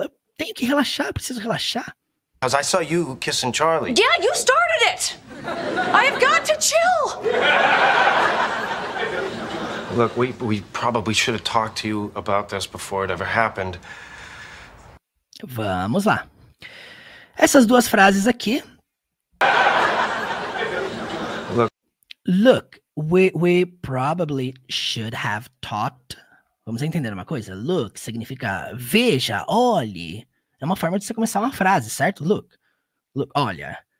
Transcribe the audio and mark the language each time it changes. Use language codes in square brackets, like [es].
[pt] Eu tenho que relaxar, eu preciso relaxar. [en] Because I saw you kissing Charlie. Yeah, you started it! I have got to chill! Look, we probably should have talked to you about this before it ever happened. [pt] Vamos lá. Essas duas frases aqui... [en] Look, we probably should have talked. [pt] Vamos entender uma coisa? Look significa veja, olhe. É uma forma de você começar uma frase, certo? Look, olha.